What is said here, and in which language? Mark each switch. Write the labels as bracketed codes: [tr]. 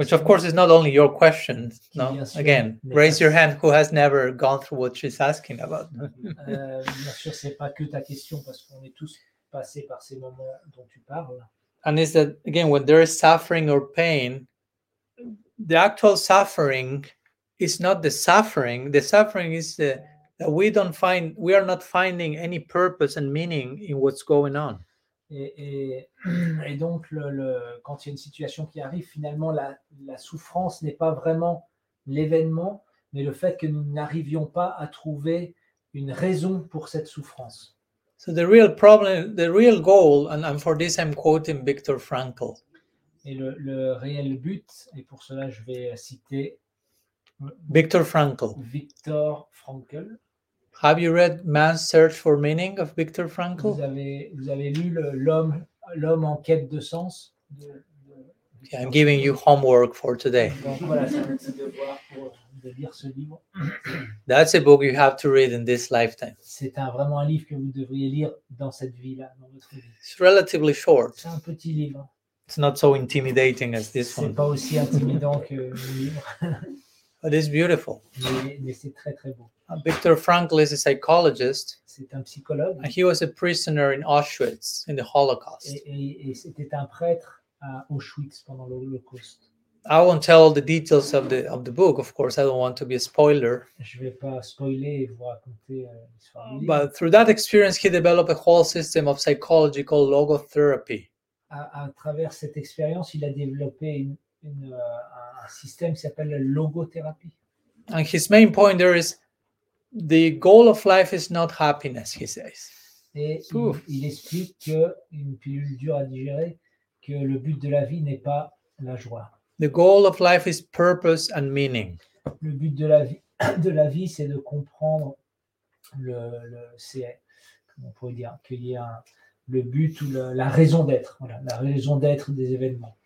[en] Which of course is not only your question. No. Again, raise your hand who has never gone through what she's asking about. [fr] Bien sûr, c'est pas que ta question parce qu'on est tous passer par ces moments dont tu parles. [en] And is that, again, when there is suffering or pain, the actual suffering is not the suffering. The suffering is that we are not finding any purpose and meaning in what's going on. [fr] Et donc, quand il y a une situation qui arrive, finalement, la souffrance n'est pas vraiment l'événement, mais le fait que nous n'arrivions pas à trouver une raison pour cette souffrance. [en] So the real problem, the real goal, and for this I'm quoting Viktor Frankl. [fr] Et le réel but, et pour cela je vais citer Viktor Frankl. Viktor Frankl. [en] Have you read Man's Search for Meaning of Viktor Frankl? [fr] Vous avez lu l'homme en quête de sens? [en] I'm giving you homework for today. [fr] De lire ce livre. [en] That's a book you have to read in this lifetime. [fr] C'est vraiment un livre que vous devriez lire dans cette vie-là, dans votre vie. [en] It's relatively short. [fr] C'est un petit livre. [en] It's not so intimidating as this [fr] one. C'est pas aussi intimidant que le livre. [en] But it's beautiful. [fr] Mais c'est très très beau. [en] Viktor Frankl is a psychologist. [fr] C'est un psychologue. [en] And he was a prisoner in Auschwitz in the Holocaust. [fr] Et c'était un prêtre à Auschwitz pendant l'Holocauste. [en] I won't tell the details of the book, of course. I don't want to be a spoiler. [fr] Je vais pas spoiler et vous raconter l'histoire. [en] But through that experience, he developed a whole system of psychological logotherapy. [fr] À travers cette expérience, il a développé un système qui s'appelle la logothérapie. [en] And his main point there is, the goal of life is not happiness, he says. [fr] Et il explique que une pilule dure à digérer, que le but de la vie n'est pas la joie. [en] The goal of life is purpose and meaning. [fr] Le but de la vie de la vie, c'est de comprendre le c'est, comment on pourrait dire, qu'il y a le but ou la raison d'être, voilà, la raison d'être des événements.